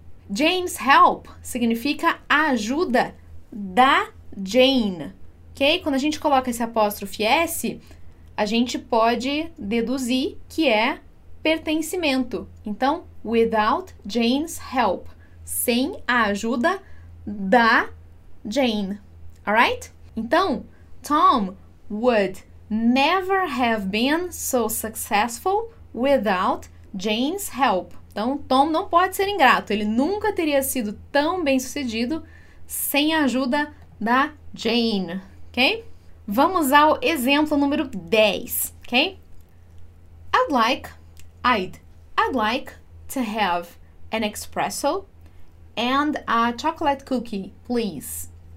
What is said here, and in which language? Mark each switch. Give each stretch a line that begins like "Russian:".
English: Jane's help
Portuguese: significa a ajuda da Jane, ok? Quando a gente coloca esse apóstrofe S, a gente pode deduzir que é pertencimento. Então,
English: without Jane's help,
Portuguese: sem a ajuda da Jane.
English: Alright? Então, Tom would never have been so successful without Jane's help.
Portuguese: Então, Tom não pode ser ingrato. Ele nunca teria sido tão bem sucedido sem a ajuda da Jane, ok? Vamos ao exemplo número 10, ok?
English: I'd like to have an espresso and a chocolate cookie, please.